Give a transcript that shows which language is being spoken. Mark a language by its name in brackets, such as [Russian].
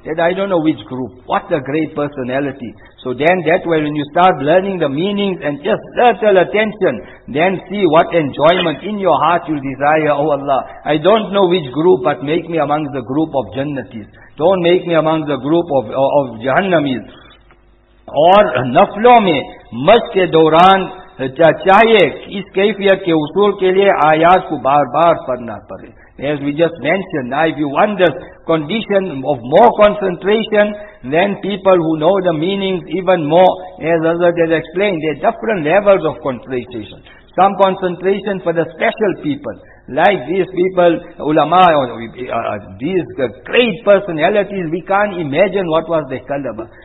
[English] That I don't know which group. What a great personality. So then that way when you start learning the meanings and just little attention, then see what enjoyment in your heart you desire. Oh Allah, I don't know which group, but make me among the group of Jannatis. Don't make me among the group of Jahannamis. [Urdu] اور نفلوں میں مشق کے دوران چاہیے اس کیفیت کے اصول کے لیے آیات کو بار بار پڑھنا پڑے. [English] As we just mentioned, now if you want the condition of more concentration, then people who know the meanings even more, as Hazrat has explained, there are different levels of concentration. Some concentration for the special people, like these people, ulama, these great personalities, we can't imagine what was their caliber.